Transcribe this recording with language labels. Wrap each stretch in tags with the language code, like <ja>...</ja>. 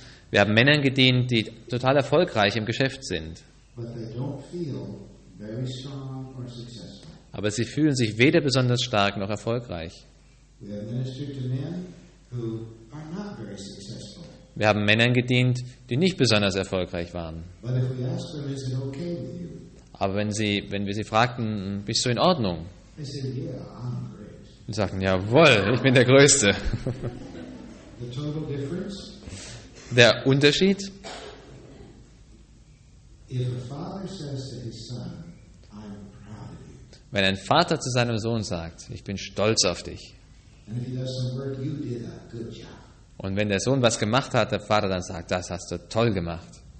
<de>Wir haben Männern gedient, die total erfolgreich im Geschäft sind.</de> <en>But they don't feel very strong or successful.</en> <de>Aber sie fühlen sich weder besonders stark noch erfolgreich.</de> <en>We have ministered to men who are not very successful.</en> <de>Wir haben Männern gedient, die nicht besonders erfolgreich waren.</de> <en>But if we ask them, is it okay with you?</en> <de>Aber wenn wir sie fragten, bist du in Ordnung?</de> <en>They said, yeah, I'm great.</en> <de>Und sagten, jawohl, ich bin der Größte.</de> <en>The total difference?</en> <de>Der Unterschied?</de> <en>If a father says to his son, I'm proud of you.</en> <de>Wenn ein Vater zu seinem Sohn sagt, ich bin stolz auf dich.</de> <en>And if he does some work, you did a good job.</en> <de>Und wenn der Sohn was gemacht hat, der Vater dann sagt, das hast du toll gemacht.</de>